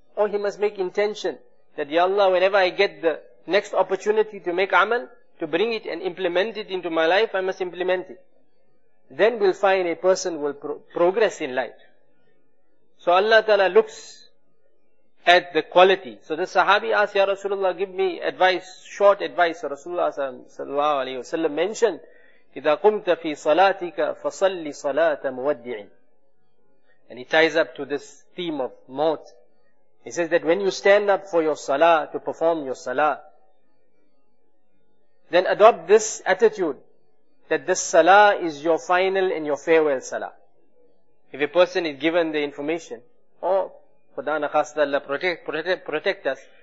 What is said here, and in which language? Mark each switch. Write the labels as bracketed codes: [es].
[en] Or he must make intention that, Ya Allah, whenever I get the next opportunity to make amal, to bring it and implement it into my life, I must implement it. Then we'll find a person will progress in life. So Allah Ta'ala looks at the quality. So the sahabi asked, Ya Rasulullah, give me advice, short advice. So Rasulullah Sallallahu Alaihi Wasallam mentioned, [ar] إِذَا قُمْتَ فِي صَلَاتِكَ فَصَلِّ صَلَاةَ مُوَدِّعٍ. [en] And he ties up to this theme of maut. He says that when you stand up for your salah, to perform your salah, then adopt this attitude that this salah is your final and your farewell salah. If a person is given the information, oh, [ur] khuda na khasta, [en] Allah protect us.